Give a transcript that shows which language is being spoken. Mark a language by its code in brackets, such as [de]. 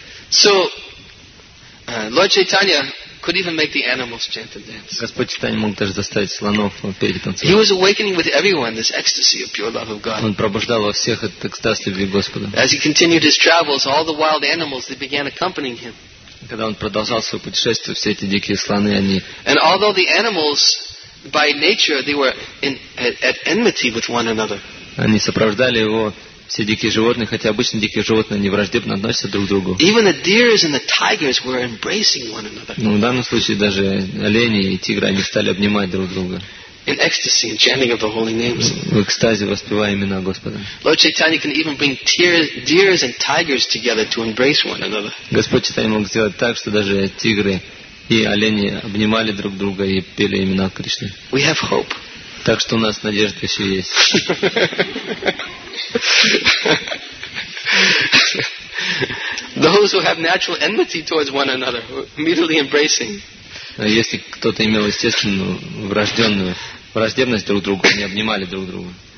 [en] So, Lord Chaitanya could even make the animals chant and dance. [ru] Господь Чайтанья мог даже заставить слонов петь и танцевать. [en] He was awakening with everyone this ecstasy of pure love of God. [ru] Он пробуждал во всех этот экстаз любви Господа. [en] As he continued his travels, all the wild animals they began accompanying him. [ru] Когда он продолжал свое путешествие, все эти дикие слоны они. [en] And although the animals, by nature, they were at enmity with one another. [ru] Они сопровождали его, все дикие животные, хотя обычно дикие животные не враждебно относятся друг к другу. [en] Even the deers and the tigers were embracing one another. [ru] Но в данном случае даже олени и тигры, они стали обнимать друг друга. [en] In ecstasy and chanting of the holy names. [ru] В экстазе воспевая имена Господа. [en] Lord Chaitanya can even bring deers and tigers together to embrace one another. [ru] Господь Чайтанья мог сделать так, что даже тигры и олени обнимали друг друга и пели имена Кришны. [en] We have hope. [ru] Так что у нас надежда еще есть. [en] Those who have natural enmity towards one another, immediately embracing. [ru] Если кто-то имел естественную враждебность друг к другу, они обнимали друг друга.